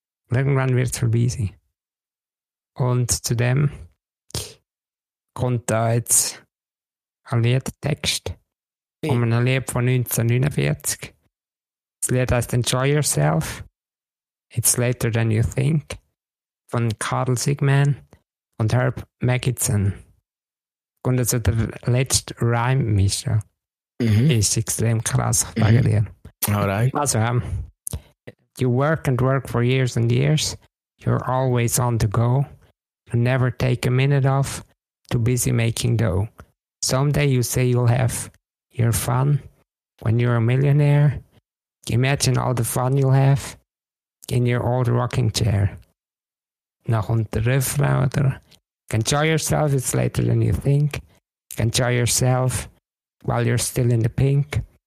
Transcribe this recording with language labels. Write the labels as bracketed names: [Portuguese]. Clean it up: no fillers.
[German] Irgendwann wird es vorbei sein. Und zudem kommt da jetzt ein Liedtext um ein Lied von 1949. Das Lied heißt Enjoy Yourself. It's Later Than You Think von Carl Sigman und Herb Magidson. Und also der letzte Rhyme, Mischa, ist extrem krass. Danke dir. [English] Alright. Also, you work and work for years and years. You're always on the go. You never take a minute off, too busy making dough. Someday you say you'll have your fun when you're a millionaire. Imagine all the fun you'll have in your old rocking chair. [German] Dann kommt der Refrain, oder? [English] Enjoy yourself, it's later than you think. Enjoy yourself while you're still in the pink.